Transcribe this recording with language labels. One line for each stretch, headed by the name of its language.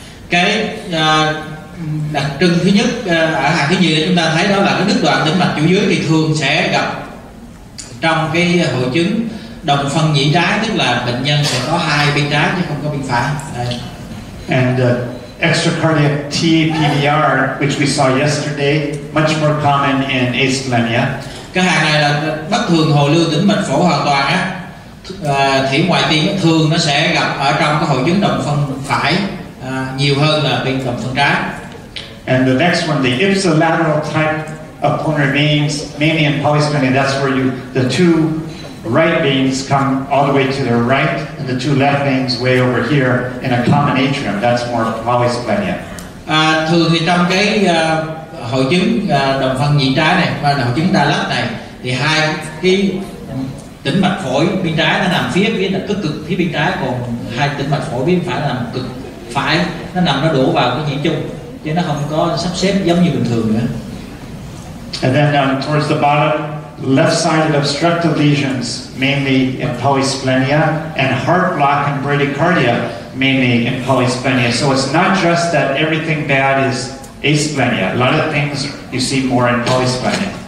Vietnamese: Cái đặc trưng thứ nhất ở hàng thứ nhì chúng ta thấy đó là cái đứt đoạn tĩnh mạch chủ dưới thì thường sẽ gặp trong cái hội chứng đồng phân nhĩ trái, tức là bệnh nhân sẽ có hai bên trái chứ không có bên phải. Đây.
English: And extracardiac TAPVR, which we saw yesterday, much more common in asplenia.
Vietnamese: Cái hàng này là bất thường hồ lưu tĩnh mạch phổi hoàn toàn á. Thể ngoại tim thường nó sẽ gặp ở trong cái hội chứng đồng phân phải nhiều hơn là bên đồng phân trái.
English: And the next one, the ipsilateral type of pulmonary veins, mainly in polysplenia, that's where you the two right veins come all the way to the right and the two left veins way over here in a common atrium. That's more polysplenia.
Vietnamese: Thường thì trong cái hội chứng đồng phân nhĩ trái này và hội chứng đa lắc này thì hai cái tĩnh mạch phổi bên trái nó nằm phía cực cực phía bên trái, còn hai tĩnh mạch phổi bên phải nó nằm cực phải, nó nằm nó đổ vào cái nhĩ chung. chứ nó không có sắp xếp giống như bình thường nữa.
English: And then down towards the bottom, left-sided obstructive lesions, mainly in polysplenia, and heart block and bradycardia, mainly in polysplenia. So it's not just that everything bad is asplenia. A lot of things you see more in polysplenia.